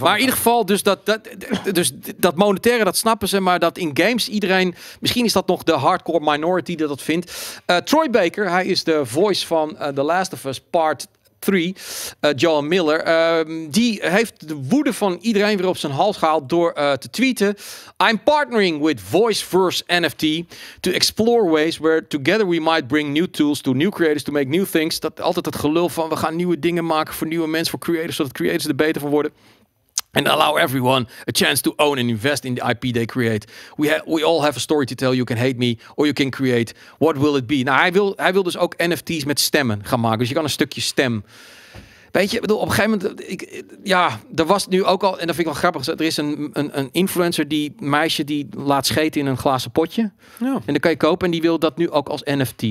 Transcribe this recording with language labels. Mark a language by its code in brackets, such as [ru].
[nl] Maar in ieder geval, dus dat monetaire, dat snappen ze. Maar dat in games iedereen... Misschien is dat nog de hardcore minority die dat vindt. Troy Baker, hij is de voice van The Last of Us Part 3. Joel Miller. Die heeft de woede van iedereen weer op zijn hals gehaald door te tweeten. [en] I'm partnering with Voiceverse NFT to explore ways where together we might bring new tools to new creators to make new things. [nl] Dat altijd het gelul van we gaan nieuwe dingen maken voor nieuwe mensen, voor creators, zodat creators er beter van worden. [en] And allow everyone a chance to own and invest in the IP they create. We all have a story to tell. You can hate me or you can create. What will it be? [nl] Nou, hij wil dus ook NFT's met stemmen gaan maken. Dus je kan een stukje stem. Weet je, ik bedoel, op een gegeven moment... er was nu ook al... En dat vind ik wel grappig. Er is een influencer, die meisje, die laat scheten in een glazen potje. Ja. En dan kan je kopen. En die wil dat nu ook als NFT.